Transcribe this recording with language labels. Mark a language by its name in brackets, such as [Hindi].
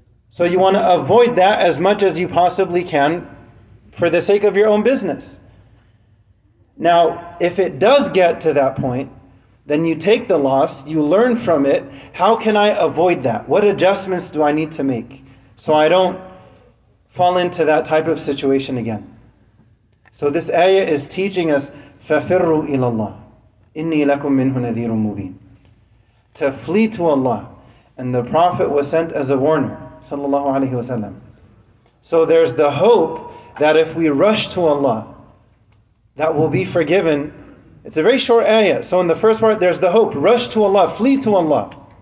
[English] So you want to avoid that as much as you possibly can for the sake of your own business. Now, if it does get to that point, Then you take the loss, you learn from it. How can I avoid that? What adjustments do I need to make so I don't fall into that type of situation again? So this ayah is teaching us, [Arabic] فَفِرُّوا إِلَى اللَّهِ إِنِّي لَكُم مِّنْهُ نَذِيرٌ مُّبِينٌ. [English] To flee to Allah. And the Prophet was sent as a warner, sallallahu alayhi wa sallam. So there's the hope that if we rush to Allah, that we'll be forgiven. It's a very short ayah. So in the first part, there's the hope. Rush to Allah, flee to Allah.